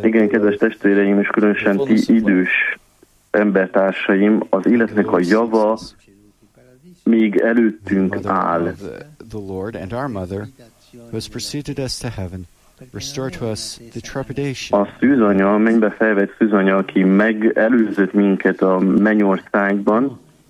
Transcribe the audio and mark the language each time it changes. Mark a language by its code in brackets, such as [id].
[hu] Igen, kedves testvéreim, és különösen ti idős embertársaim, az életnek a java még előttünk áll. [en] The Lord and our Mother, who has preceded us to heaven, restore to us the trepidation. [hu] A szűzanya, mennybe felvett szűzanya, aki megelőzött minket a mennyországban,